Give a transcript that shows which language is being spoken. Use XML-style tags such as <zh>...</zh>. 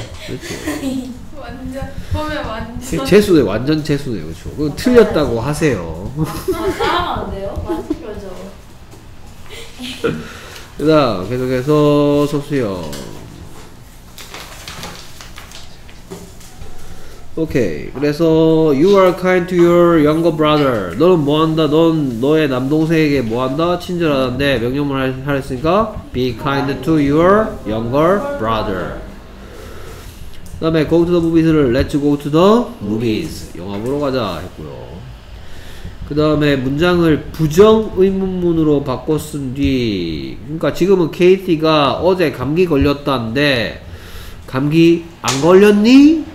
<ko>그렇죠. 보면 완전 재수네, 완전 재수네, 그렇죠. 그럼 맞아요. 틀렸다고 하세요. 따라하면 안 돼요? 맞죠. 그다음 계속해서 소수요. 오케이.</ko> <en>그래서 you are kind to your younger brother.</en> <ko>너는 뭐 한다? 넌 너의 남동생에게 뭐 한다? 친절하다는데 명령문 하였으니까</ko> <en>be kind to your younger brother. 그 다음에 go to the movies를 let's go to the movies</en> <ko>영화 보러 가자 했고요. 그 다음에 문장을 부정 의문문으로 바꿔 쓴 뒤, 그러니까 지금은 KT가 어제 감기 걸렸다는데 감기 안 걸렸니?</ko>